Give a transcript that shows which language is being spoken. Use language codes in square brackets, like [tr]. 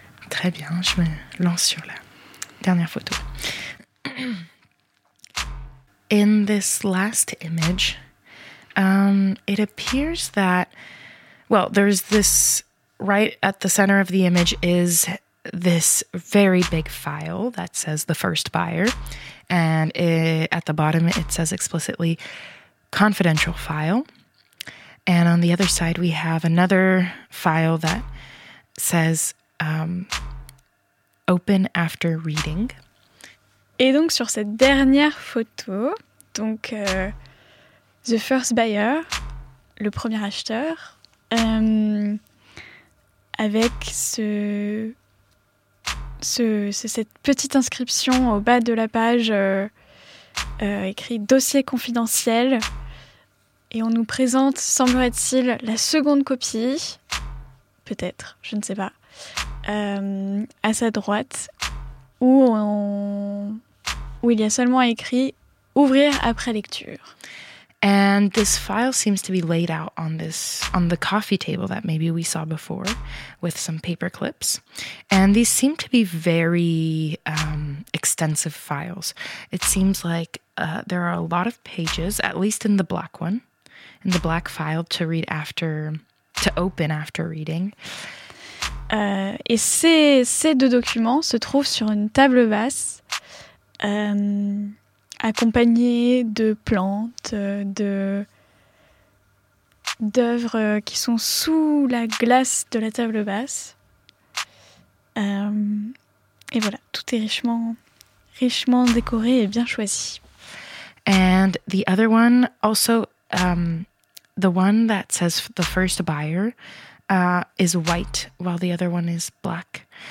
[fr] Très bien, je me lance sur la dernière photo. [en] In this last image, it appears that, well, there's this, right at the center of the image is this very big file that says the first buyer, and at the bottom it says explicitly confidential file, and on the other side we have another file that says open after reading. [fr] Et donc sur cette dernière photo, donc... [en] The first buyer, [fr] le premier acheteur, avec cette petite inscription au bas de la page écrit dossier confidentiel, et on nous présente, semblerait-il, la seconde copie, peut-être, je ne sais pas, à sa droite, où il y a seulement écrit ouvrir après lecture. [en] And this file seems to be laid out on the coffee table that maybe we saw before with some paper clips. And these seem to be very extensive files. It seems like there are a lot of pages, at least in the black one, in the black file to open after reading. [fr] Et ces deux documents se trouvent sur une table basse. Accompagné de plantes, d'œuvres qui sont sous la glace de la table basse. Et voilà, tout est richement décoré et bien choisi. [en] And the other one, also, the one that says the first buyer is white, while the other one is black.